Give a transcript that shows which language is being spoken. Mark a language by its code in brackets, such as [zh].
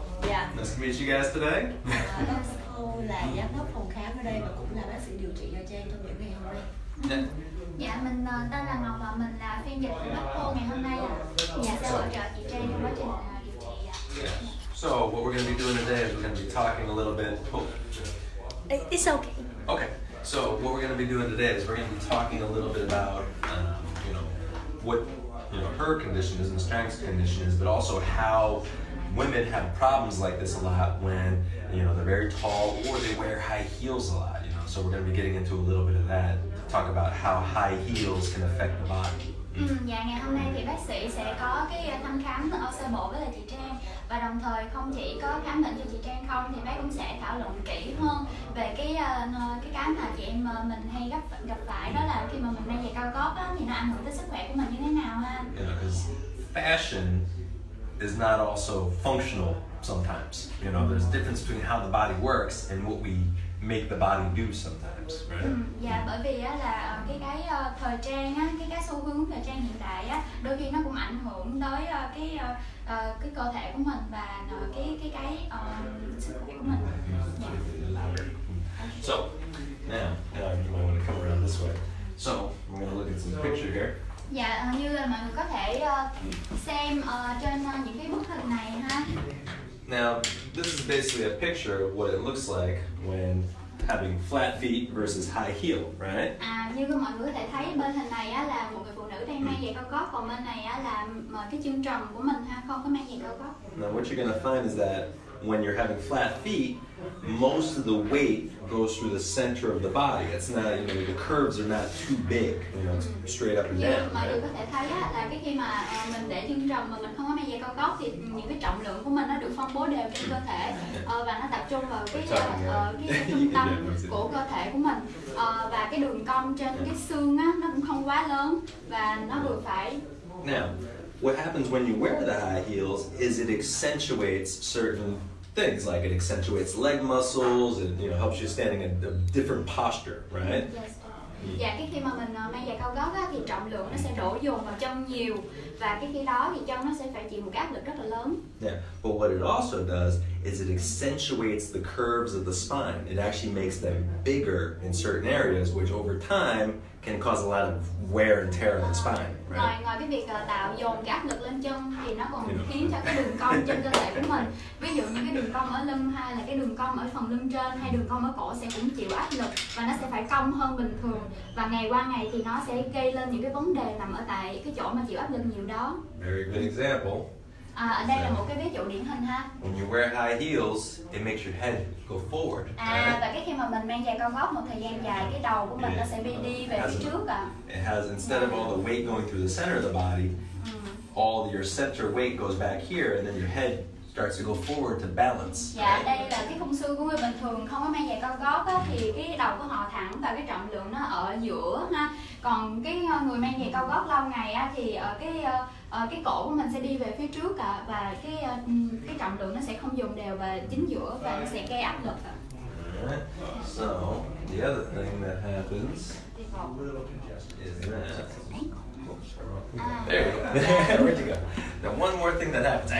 [vi] bác sĩ Khô là giám đốc phòng khám ở đây và cũng là bác sĩ điều trị cho Trang trong buổi ngày hôm nay. Dạ, mình tên là Ngọc và mình là phiên dịch của bác Khô ngày hôm nay ạ. Dạ, sẽ hỗ trợ chị Trang trong quá trình điều trị ạ. [en] So what we're going to be doing today is we're going to be talking a little bit. It's okay. Okay. So what we're going to be doing today is we're going to be talking a little bit about, you know, what her condition is and Strang's condition is, but also how women have problems like this a lot when, you know, they're very tall or they wear high heels a lot. You know, so we're going to be getting into a little bit of that. Talk about how high heels can affect the body. [vi] Dạ, ngày hôm nay thì bác sĩ sẽ có cái thăm khám ở sơ bộ với là chị Trang. Và đồng thời không chỉ có khám bệnh cho chị Trang không thì bác cũng sẽ thảo luận kỹ hơn về cái mà chị em mình hay gặp phải, đó là khi mà mình mang giày cao gót á, thì nó ảnh hưởng tới sức khỏe của mình như thế nào ha. [en] Fashion is not also functional sometimes. You know, there's a difference between how the body works and what we make the body do sometimes, right? [vi] Yeah, bởi vì là cái thời trang á, cái xu hướng thời trang hiện tại á, đôi khi nó cũng ảnh hưởng tới cái cơ thể của mình và cái sức khỏe của mình. [en] So, now, you might want to come around this way. So, we're going to look at some picture here. [vi] Dạ, như là mọi người có thể xem trên những cái bức hình này ha. [en] Now, this is basically a picture of what it looks like when having flat feet versus high heel, right? [vi] À, như mọi người có thể thấy bên hình này á, là một người phụ nữ đang mang giày cao gót, còn bên này á, là cái chân trần của mình ha, không có mang giày cao gót. [en] Now, what you're going to find is that when you're having flat feet, most of the weight goes through the center of the body. It's not, you know, the curves are not too big, you know, it's straight up and down. [vi] Mọi người có thể thấy á, là cái khi mà mình để chân trần mà mình không có mang giày cao gót thì những cái trọng lượng của mình nó được phân bố đều trên cơ thể và nó tập trung vào cái trung tâm của cơ thể của mình và cái đường cong trên cái xương á, nó cũng không quá lớn và nó vừa phải. [en] Now, what happens when you wear the high heels is it accentuates certain things, like it accentuates leg muscles, it, you know, helps you standing in a different posture, right? Yes. [vi] Yeah, cái khi mà mình mang giày cao gót á, thì trọng lượng nó sẽ đổ dồn vào chân nhiều và cái khi đó thì chân nó sẽ phải chịu một cái áp lực rất là lớn. [en] Yeah, but what it also does is it accentuates the curves of the spine. It actually makes them bigger in certain areas, which over time can cause a lot of wear and tear on the spine. Right? [vi] Rồi ngoài cái việc tạo dồn cái áp lực lên chân thì nó còn khiến cho cái đường cong trên cơ thể của mình, ví dụ như cái đường cong ở lưng hay là cái đường cong ở phần lưng trên hay đường cong ở cổ sẽ cũng chịu áp lực và nó sẽ phải cong hơn bình thường và ngày qua ngày thì nó sẽ gây lên những cái vấn đề nằm ở tại cái chỗ mà chịu áp lực nhiều đó. [en] Very good example. [vi] À, đây là một cái ví dụ điển hình ha. [en] When you wear high heels, it makes your head go forward. [vi] À, và cái khi mà mình mang giày cao gót một thời gian dài, cái đầu của mình nó sẽ bị đi về phía trước ạ. [en] It has, instead of all the weight going through the center of the body, all your center weight goes back here and then your head starts to go forward to balance. [vi] Dạ, đây là cái khung xương của người bình thường không có mang giày cao gót á, thì cái đầu của họ thẳng và cái trọng lượng nó ở giữa ha. Còn cái người mang giày cao gót lâu ngày á, thì ở cái cổ của mình sẽ đi về phía trước ạ và cái trọng lượng nó sẽ không dồn đều và chính giữa và nó sẽ gây áp lực ạ. [en] So, the other thing that happens is that. There you go. Where'd you go? Now one more thing that happens.